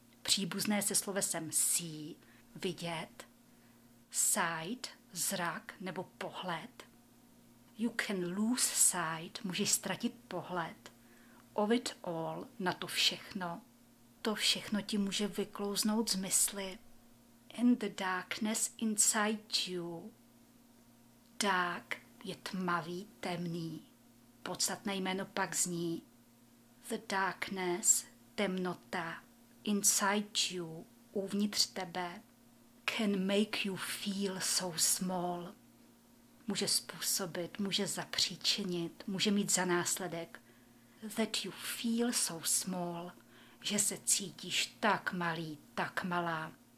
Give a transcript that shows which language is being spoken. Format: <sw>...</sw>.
<cs>Příbuzné se slovesem see, vidět, sight, zrak nebo pohled.</cs> <en>You can lose sight,</en> <cs>můžeš ztratit pohled.</cs> <en>Of it all,</en> <cs>na to všechno. To všechno ti může vyklouznout z mysli.</cs> <en>In the darkness inside you.</en> <cs>Dark je tmavý, temný. Podstatné jméno pak zní the darkness, temnota.</cs> <en>Inside you,</en> <cs>uvnitř tebe,</cs> <en>can make you feel so small.</en> <cs>Může způsobit, může zapříčinit, může mít za následek</cs> <en>that you feel so small,</en> <cs>že se cítíš tak malý, tak malá.</cs>